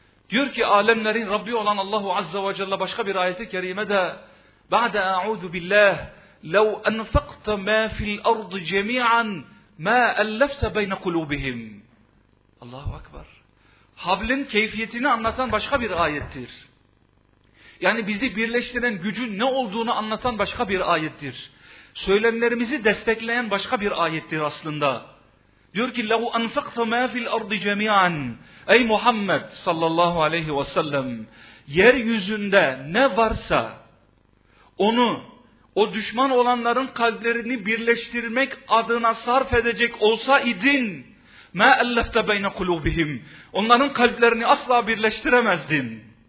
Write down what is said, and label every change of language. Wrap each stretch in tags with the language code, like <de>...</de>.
<tr>Diyor ki alemlerin Rabbi olan Allahu Azza ve Celle başka bir ayeti kerime de ba'de a'udu billah</tr> <ar>لو انفقت ما في الارض جميعا ما الفت بين قلوبهم.</ar> <tr>Allahu Ekber. Hablin keyfiyetini anlatan başka bir ayettir. Yani bizi birleştiren gücün ne olduğunu anlatan başka bir ayettir. Söylemlerimizi destekleyen başka bir ayettir aslında. Diyor ki</tr> <ar>لَوْ أَنْفَقْتَ مَا فِي الْأَرْضِ جَمِيعًا.</ar> <tr>Ey Muhammed sallallahu aleyhi ve sellem, yeryüzünde ne varsa onu o düşman olanların kalplerini birleştirmek adına sarf edecek olsa idin</tr> <ar>مَا أَلَّفْتَ بَيْنَ قُلُوبِهِمْ,</ar> <tr>onların kalplerini asla birleştiremezdin.</tr>